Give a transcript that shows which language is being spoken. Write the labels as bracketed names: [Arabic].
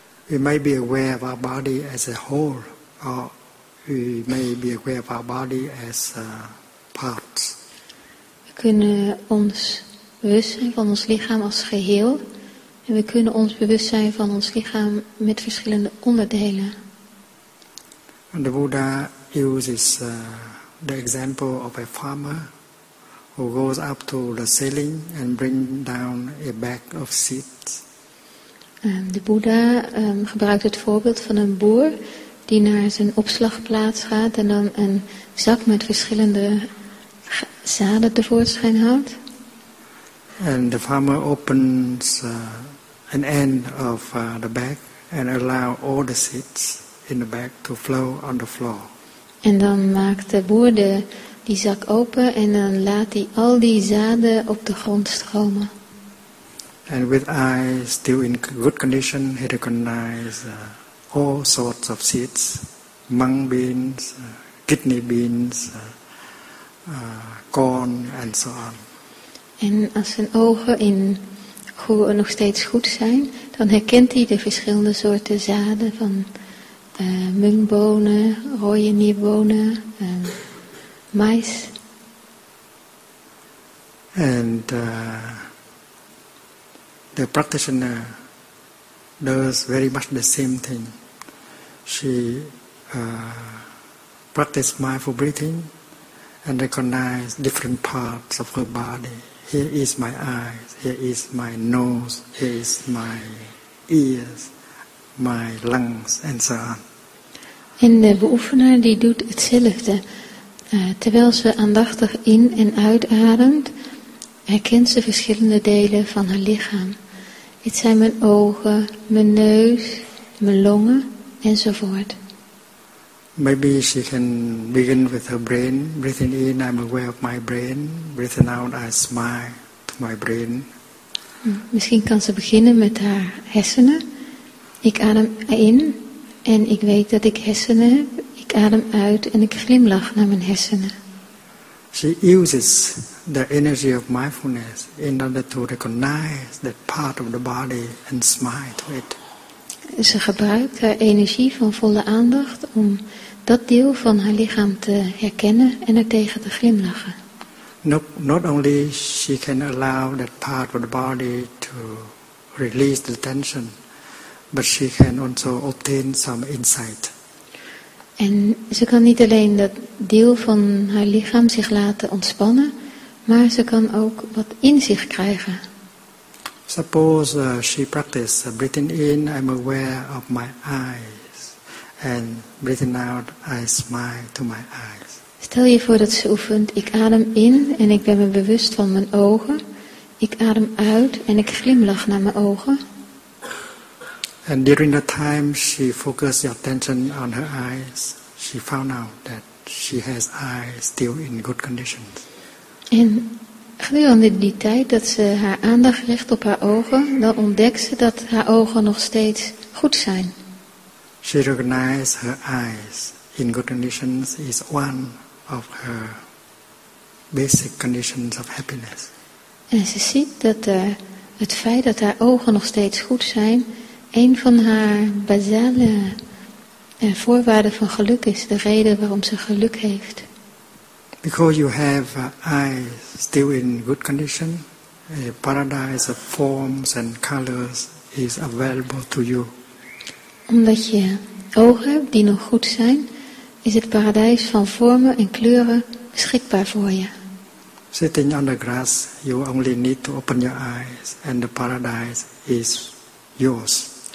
[English] We may be aware of our body as a whole, or we may be aware of our body as parts. [Dutch] We kunnen ons bewust zijn van ons lichaam als geheel. En we kunnen ons bewust zijn van ons lichaam met verschillende onderdelen. [English] And the Buddha uses the example of a farmer who goes up to the ceiling and brings down a bag of seeds. [Dutch] De Buddha gebruikt het voorbeeld van een boer die naar zijn opslagplaats gaat en dan een zak met verschillende zaden tevoorschijn haalt. [English] And the farmer opens an end of the bag and allow all the seeds in the bag to flow on the floor. [Dutch] En dan maakt de boer die zak open en dan laat hij al die zaden op de grond stromen. [English] And with eyes still in good condition, he recognizes all sorts of seeds: mung beans, kidney beans, corn and so on. [Dutch] En als zijn ogen in nog steeds goed zijn, dan herkent hij de verschillende soorten zaden van mungbonen, rode nierbonen, mais. [English] And the practitioner does very much the same thing. She practices mindful breathing and recognizes different parts of her body. Here is my eyes, here is my nose, here is my ears, my lungs, and so on. [Dutch] En de beoefenaar die doet hetzelfde. Terwijl ze aandachtig in- en uitademt, herkent ze verschillende delen van haar lichaam. Het zijn mijn ogen, mijn neus, mijn longen, enzovoort. [English] Maybe she can begin with her brain. Breathing in, I'm aware of my brain. Breathing out, I smile to my brain. [Dutch] Misschien kan ze beginnen met haar hersenen. Ik adem in en ik weet dat ik hersenen heb. Ik adem uit en ik glimlach naar mijn hersenen. [English] She uses the energy of mindfulness in order to recognize that part of the body and smile to it. [Dutch] Ze gebruikt haar energie van volle aandacht om dat deel van haar lichaam te herkennen en er tegen te glimlachen. [English] Not only she can allow that part of the body to release the tension, but she can also obtain some insight. [Dutch] En ze kan niet alleen dat deel van haar lichaam zich laten ontspannen, maar ze kan ook wat inzicht krijgen. [English] Suppose she practices breathing in, I'm aware of my eyes, and breathing out, I smile to my eyes. [Dutch] Stel je voor dat ze oefent, ik adem in en ik ben me bewust van mijn ogen, ik adem uit en ik glimlach naar mijn ogen. [English] And during the time she focused her attention on her eyes, she found out that she has eyes still in good condition. [Dutch] En gedurende die tijd dat ze haar aandacht richt op haar ogen, dan ontdekt ze dat haar ogen nog steeds goed zijn. [English] She recognizes her eyes in good conditions is one of her basic conditions of happiness. [Dutch] En ze ziet dat het feit dat haar ogen nog steeds goed zijn, een van haar basale voorwaarden van geluk is, de reden waarom ze geluk heeft. [English] Because you have eyes still in good condition, a paradise of forms and colors is available to you. [Dutch] Omdat je ogen die nog goed zijn, is het paradijs van vormen en kleuren beschikbaar voor je. [English] Sitting on the grass, you only need to open your eyes and the paradise is yours.